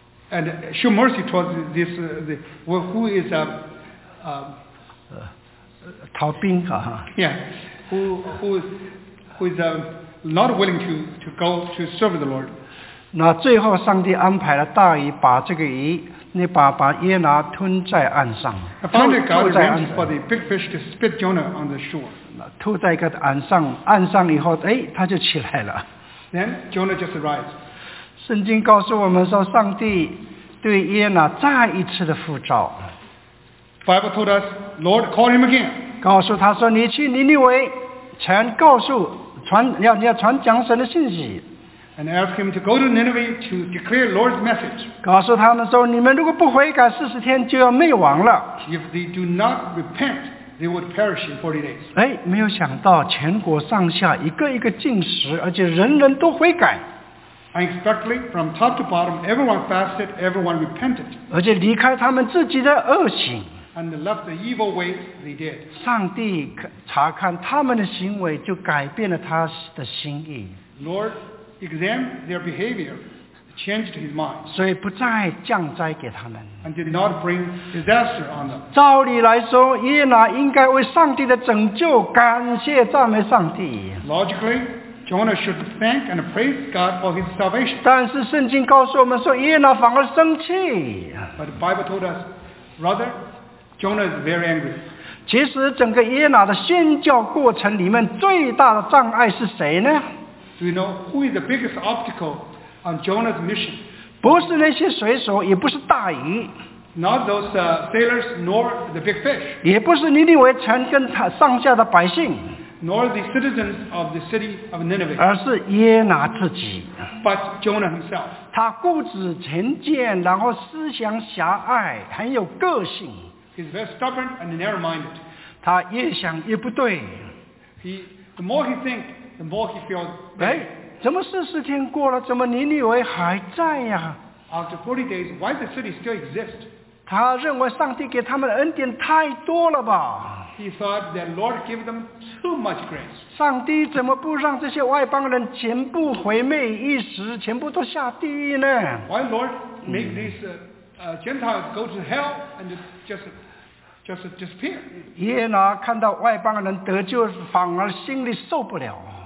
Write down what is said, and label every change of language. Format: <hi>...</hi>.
<en>And show mercy towards this who is not willing to go to serve the Lord.</en> <zh>那最后上帝安排了大鱼把这个鱼你把约拿吞在岸上。</zh> <en>Finally, God arranged for the big fish to spit Jonah on the shore.</en> <zh>吐在一个岸上，岸上以后，哎，他就起来了。</zh> <en>Then Jonah just arrived.</en> <zh>圣经告诉我们说，上帝对约拿再一次的呼召。</zh> <en>Bible told us, Lord called him again.</en> <zh>告诉他说，你去尼尼微，全告诉传，你要传讲神的信息。</zh> <en>And ask him to go to Nineveh to declare the Lord's message.</en> <zh>告诉他们说，你们如果不悔改，四十天就要灭亡了。</zh> <en>If they do not repent, they would perish in 40 days.</en> <zh>哎，没有想到全国上下一个一个禁食，而且人人都悔改。</zh> <en>Unexpectedly, from top to bottom, everyone fasted, everyone repented.</en> <zh>而且离开他们自己的恶行。</zh> <en>And left the evil ways they did.</en> <zh>上帝查看他们的行为，就改变了他的心意。</zh> <en>Lord. Examined their behavior, changed his mind.</en> <zh>所以不再降灾给他们。</zh> <en>And did not bring disaster on them.</en> <zh>照理来说，约拿应该为上帝的拯救感谢赞美上帝。</zh> <en>Logically, Jonah should thank and praise God for his salvation.</en> <zh>但是圣经告诉我们说，约拿反而生气。</zh> <en>But the Bible told us, rather, Jonah is very angry.</en> <zh>其实整个约拿的宣教过程里面最大的障碍是谁呢？</zh> <en>Do you know who is the biggest obstacle on Jonah's mission?</en> <zh>不是那些水手，也不是大鱼。</zh> <en>Not those sailors, nor the big fish.</en> <zh>也不是尼尼微城跟他上下的百姓。</zh> <en>Nor the citizens of the city of Nineveh.</en> <zh>而是约拿自己。</zh> <en>But Jonah himself.</en> <zh>他固执成见，然后思想狭隘，很有个性。</zh> <en>He's very stubborn and narrow-minded.</en> <zh>他越想越不对。</zh> <en>The more he thinks,The more he feels bad.</en> <zh>哎，怎么四十天过了，怎么尼尼微还在呀</zh> <en>？After 40 days, why the city still exists?</en> <zh>他认为上帝给他们的恩典太多了吧</zh> <en>？He thought that Lord gave them too much grace.</en> <zh>上帝怎么不让这些外邦人全部毁灭一时，全部都下地狱呢</zh> <en>？Why Lord make these Gentiles go to hell and just disappear?</en> <zh>耶拿看到外邦人得救，反而心里受不了。</zh>